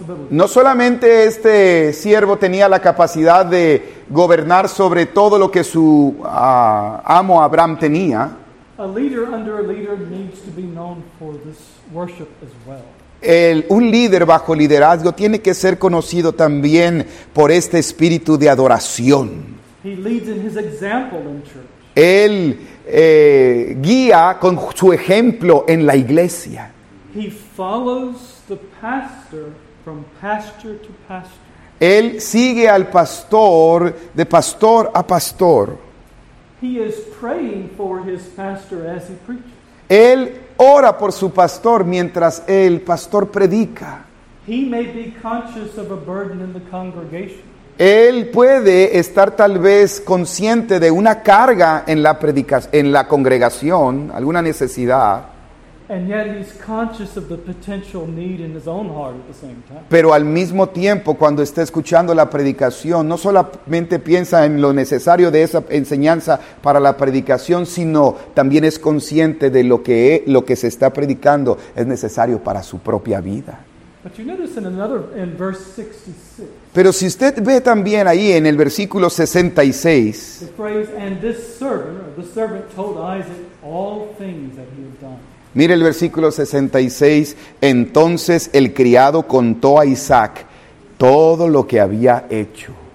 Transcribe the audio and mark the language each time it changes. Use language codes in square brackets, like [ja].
[es] No solamente este siervo tenía la capacidad de gobernar sobre todo lo que su amo Abraham tenía. [en] A leader under a leader needs to be known for this worship as well. [es] Un líder bajo liderazgo tiene que ser conocido también por este espíritu de adoración. [en] He leads in his example in church. [es] Él guía con su ejemplo en la iglesia. [en] He follows the pastor from pasture to pasture. [es] Él sigue al pastor de pastor a pastor. [en] He is praying for his pastor as he preaches. [es] Él ora por su pastor mientras el pastor predica. [en] He may be conscious of a burden in the congregation. [es] Él puede estar tal vez consciente de una carga en la congregación, alguna necesidad. [en] And yet he's conscious of the potential need in his own heart at the same time. [es] Pero al mismo tiempo, cuando está escuchando la predicación, no solamente piensa en lo necesario de esa enseñanza para la predicación, sino también es consciente de lo que se está predicando es necesario para su propia vida. [en] But you notice in verse 66. [es] Pero si usted ve también ahí en el versículo 66. [en] The phrase, and this servant, or the servant told Isaac all things that he had done. [es] Mire el versículo 66. Entonces el criado contó a Isaac todo lo que había hecho.